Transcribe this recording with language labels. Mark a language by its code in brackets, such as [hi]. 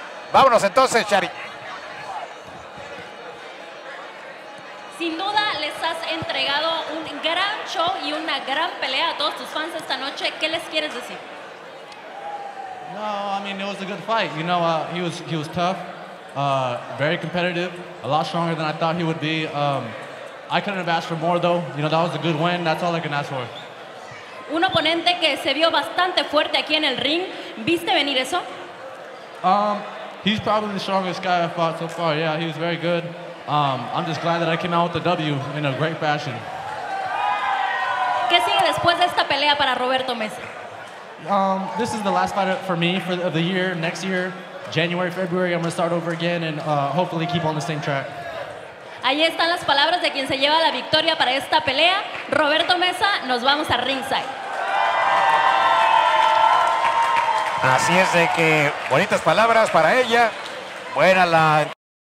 [es] Vámonos entonces, Shari. Sin duda les has entregado un gran show y una gran pelea a todos tus fans esta noche. ¿Qué les quieres decir? [en] No, I mean, it was a good fight. You know, he was tough. Very competitive, a lot stronger than I thought he would be. I couldn't have asked for more, though. You know, that was a good win. That's all I can ask for. [es] Un oponente que se vio bastante fuerte aquí en el ring. ¿Viste venir eso? [en] He's probably the strongest guy I've fought so far. Yeah, he was very good. I'm just glad that I came out with the W in a great fashion. [es] ¿Qué sigue después de esta pelea para Roberto Mesa? [en] This is the last fight for me of the year. Next year, January, February, I'm going to start over again and hopefully keep on the same track. [es] Ahí están las palabras de quien se lleva la victoria para esta pelea. Roberto Mesa, nos vamos a ringside. Así es de que bonitas palabras para ella. Buena la...